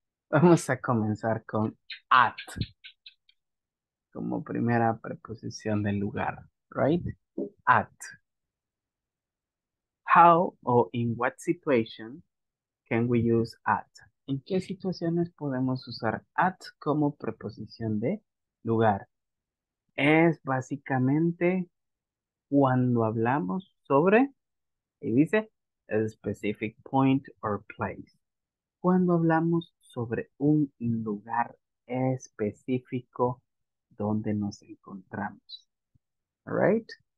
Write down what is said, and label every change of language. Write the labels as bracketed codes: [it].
[es] Vamos a comenzar con at como primera preposición del lugar, right? [en] At. How or in what situation can we use at? [es] ¿En qué situaciones podemos usar at como preposición de lugar? Es básicamente cuando hablamos sobre, y dice, [en] a specific point or place. [es] Cuando hablamos sobre un lugar específico donde nos encontramos. Alright?